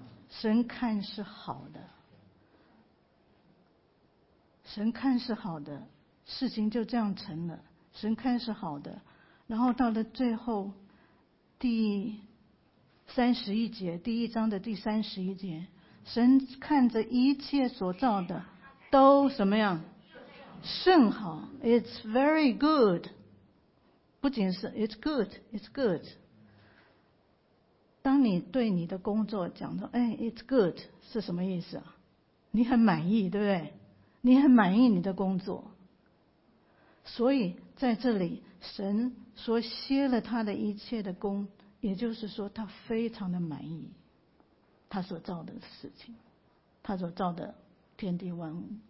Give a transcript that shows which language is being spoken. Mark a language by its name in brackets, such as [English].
[Chinese] 神看是好的，神看是好的，事情就这样成了。神看是好的，然后到了最后第三十一节，第一章的第三十一节，神看着一切所造的都什么样？甚好。 [English] It's very good， [Chinese] 不仅是 [English] It's good。 [Chinese] 当你对你的工作讲说哎 [English] It's good [Chinese] 是什么意思？你很满意，对不对？你很满意你的工作。所以在这里神说歇了他的一切的工，也就是说他非常的满意他所造的事情，他所造的天地万物。